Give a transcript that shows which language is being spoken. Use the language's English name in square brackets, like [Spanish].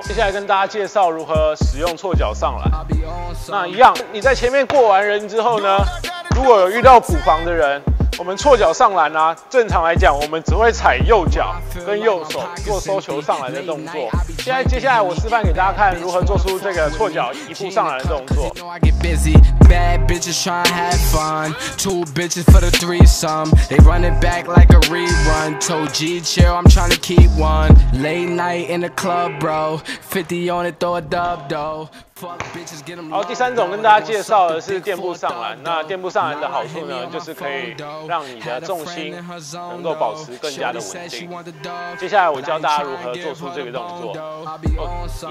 [Chinese] 接下来跟大家介绍如何使用错脚上篮。那一样，你在前面过完人之后呢，如果有遇到补防的人，我们错脚上篮啊，正常来讲我们只会踩右脚跟右手做收球上篮的动作。现在接下来我示范给大家看如何做出这个错脚一步上篮的动作。 [English] Bad bitches tryna have fun. Two bitches for the threesome. They running back like a rerun. Told G chill, I'm tryna keep one. Late night in the club, bro. 50 on it, throw a dub though. Fuck bitches, get them. [Chinese] 好，第三种跟大家介绍的是垫步上篮。那垫步上篮的好处呢，就是可以让你的重心能够保持更加的稳定。接下来我教大家如何做出这个动作。